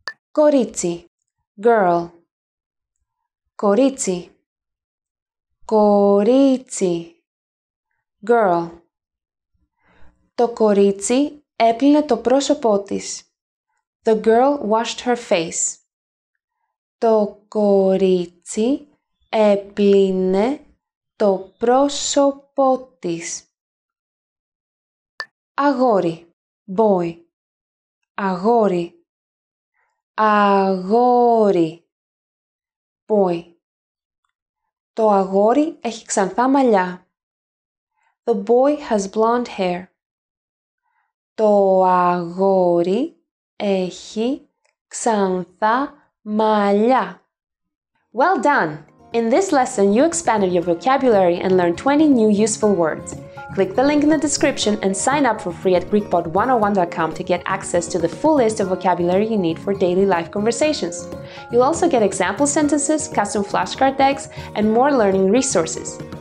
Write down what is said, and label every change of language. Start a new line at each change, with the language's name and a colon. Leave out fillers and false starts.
Greek: Κορίτσι.
English: Girl.
Greek: Κορίτσι. Κορίτσι.
English: Girl.
Greek: Το κορίτσι έπλυνε το πρόσωπό της.
English: The girl washed her face.
Greek: Το κορίτσι έπλυνε το πρόσωπό της. Αγόρι.
English: Boy.
Greek: Αγόρι. Αγόρι.
English: Boy.
Greek: Το αγόρι έχει ξανθά μαλλιά.
English: The boy has blonde hair.
Greek: Το αγόρι έχει ξανθά μαλλιά.
English: Well done! In this lesson, you expanded your vocabulary and learned 20 new useful words. Click the link in the description and sign up for free at GreekPod101.com to get access to the full list of vocabulary you need for daily life conversations. You'll also get example sentences, custom flashcard decks, and more learning resources.